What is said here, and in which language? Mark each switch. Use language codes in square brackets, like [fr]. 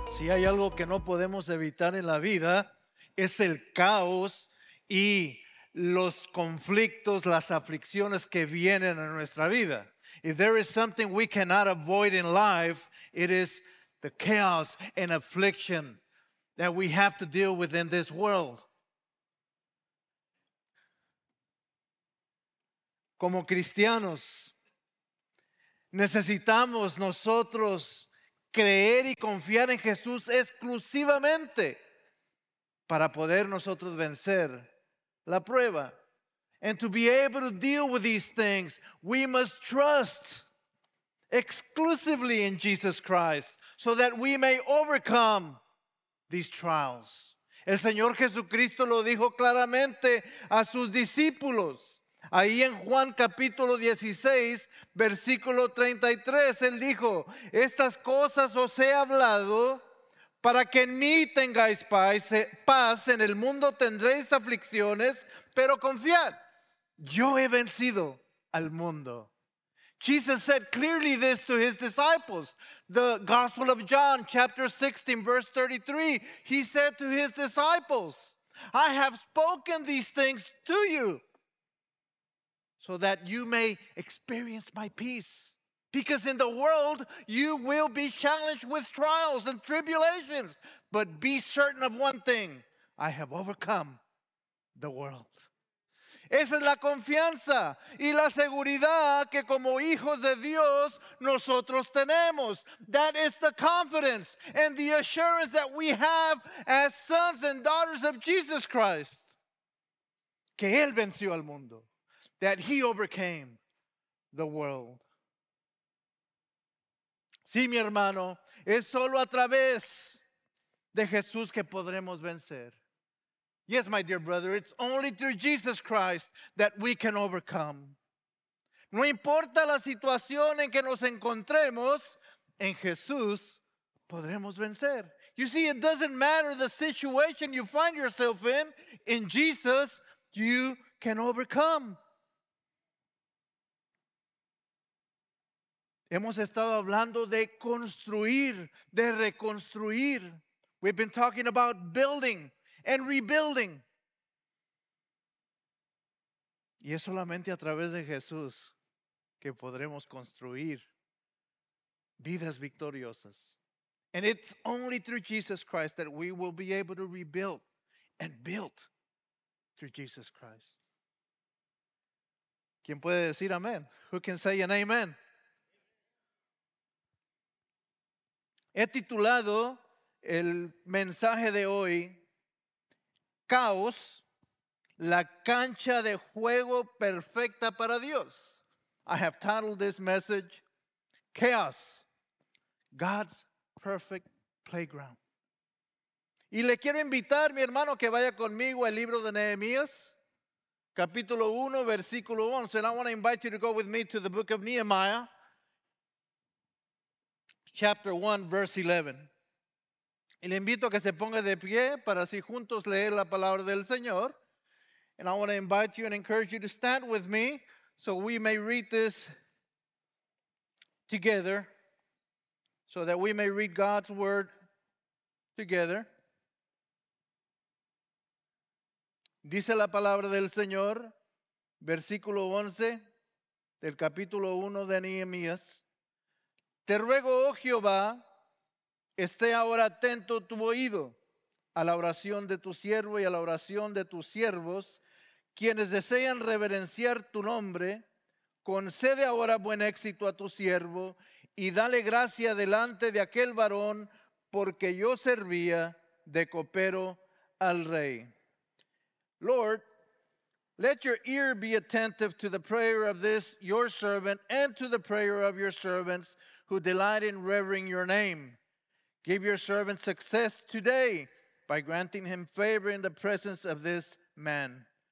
[es] hay algo que no podemos evitar en la vida, es el caos y los conflictos, las aflicciones que vienen a nuestra vida. [en] If there is something we cannot avoid in life, it is the chaos and affliction that we have to deal with in this world. [es] Como cristianos, necesitamos nosotros creer y confiar en Jesús exclusivamente para poder nosotros vencer la prueba. [en] And to be able to deal with these things, we must trust exclusively in Jesus Christ so that we may overcome these trials. [es] El Señor Jesucristo lo dijo claramente a sus discípulos. Ahí en Juan capítulo 16, versículo 33, Él dijo, estas cosas os he hablado para que en mí tengáis paz. En el mundo tendréis aflicciones, pero confiad, yo he vencido al mundo. [en] Jesus said clearly this to his disciples. The Gospel of John, chapter 16, verse 33, he said to his disciples, I have spoken these things to you so that you may experience my peace. Because in the world, you will be challenged with trials and tribulations. But be certain of one thing, I have overcome the world. [es] Esa es la confianza y la seguridad que como hijos de Dios nosotros tenemos. [en] That is the confidence and the assurance that we have as sons and daughters of Jesus Christ. [es] Que Él venció al mundo. [en] That He overcame the world. [es] Sí, mi hermano, es solo a través de Jesús que podremos vencer. [en] Yes, my dear brother, it's only through Jesus Christ that we can overcome. [es] No importa la situación en que nos encontremos, en Jesús podremos vencer. [en] You see, it doesn't matter the situation you find yourself in Jesus, you can overcome. [es] Hemos estado hablando de construir, de reconstruir. [en] We've been talking about building and rebuilding. [es] Y es solamente a través de Jesús que podremos construir vidas victoriosas. [en] And it's only through Jesus Christ that we will be able to rebuild and build through Jesus Christ. [es] ¿Quién puede decir amén? [en] Who can say an amen? [es] He titulado el mensaje de hoy, Caos, la cancha de juego perfecta para Dios. [en] I have titled this message, Chaos, God's Perfect Playground. [es] Y le quiero invitar, mi hermano, que vaya conmigo al libro de Nehemías, capítulo 1, versículo 11. [en] And I want to invite you to go with me to the book of Nehemiah. Chapter 1, verse 11. [es] Y le invito a que se ponga de pie para así juntos leer la palabra del Señor. [en] And I want to invite you and encourage you to stand with me so we may read this together, so that we may read God's word together. [es] Dice la palabra del Señor, versículo 11 del capítulo 1 de Nehemías. Te ruego, oh Jehová, esté ahora atento tu oído a la oración de tu siervo y a la oración de tus siervos, quienes desean reverenciar tu nombre. Concede ahora buen éxito a tu siervo y dale gracia delante de aquel varón, porque yo servía de copero al rey. [en] Lord, let your ear be attentive to the prayer of this your servant and to the prayer of your servants, who delight in revering your name. Give your servant success today by granting him favor in the presence of this man.